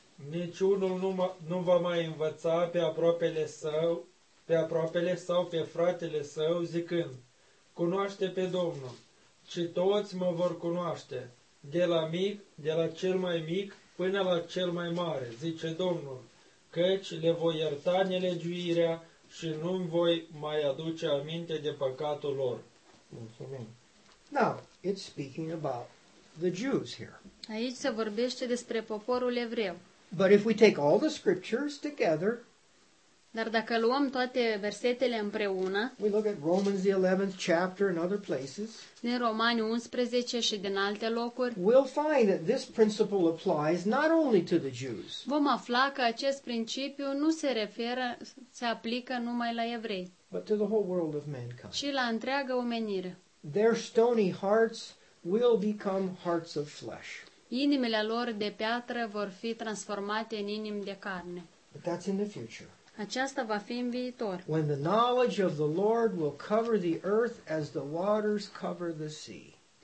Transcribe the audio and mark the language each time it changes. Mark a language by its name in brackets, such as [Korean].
[Romanian] Niciunul nu va mai învăța pe aproapele său, pe aproapele sau pe fratele său, zicând, cunoaște pe Domnul, ci toți mă vor cunoaște, de la mic, de la cel mai mic, până la cel mai mare, zice Domnul, căci le voi ierta nelegiuirea și nu-mi voi mai aduce aminte de păcatul lor. [English] Now, it's speaking about the Jews here. [Romanian] Aici se vorbește despre poporul evreu. [English] But if we take all the scriptures together, [Romanian] dar dacă luăm toate versetele împreună, [English] we look at Romans the 11th chapter and other places, [Romanian] din Romani 11 și din alte locuri, [English] we'll find that this principle applies not only to the Jews. [Romanian] Vom afla că acest principiu nu se referă, se aplică numai la evrei, [English] but to the whole world of mankind. [Romanian] Și la întreaga omenire. [English] Their stony hearts will become hearts of flesh. [Romanian] Inimile lor de piatră vor fi transformate în inimi de carne. [English] But that's in the future. [Romanian] Aceasta va fi în viitor. [English] When the knowledge of the Lord will cover the earth as the waters cover the sea.